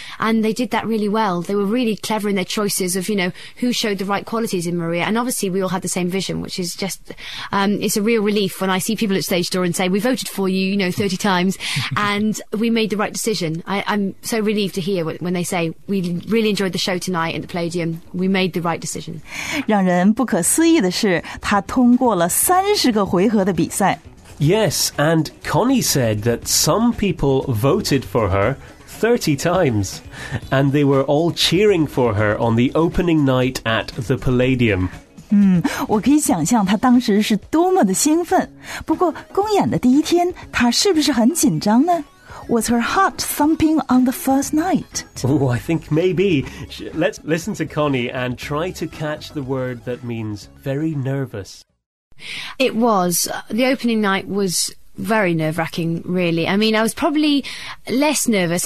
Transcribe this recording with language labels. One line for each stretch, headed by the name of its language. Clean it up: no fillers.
English: And they did that really well. They were really clever in their choices of, you know, who showed the right qualities in Maria. And obviously we all had the same vision, which is just, it's a real relief when I see people at stage door and say, we voted for you, you know, 30 times and we made the right decision. I'm so relieved to hear when they say, we really enjoyed the show tonight at the Palladium. We made the right decision.
Chinese: 让人不可思议的是，他通过了30个回合的比赛。
English: Yes, and Connie said that some people voted for her 30 times, and they were all cheering for her on the opening night at the Palladium.
Chinese: 我可以想象他当时是多么的兴奋。不过，公演的第一天，他是不是很紧张呢？
English: Was her heart thumping on the first night? Oh, I think maybe. Let's listen to Connie and try to catch the word that means very nervous. It was. The opening night was very nerve-wracking, really. I mean, I was probably less nervous.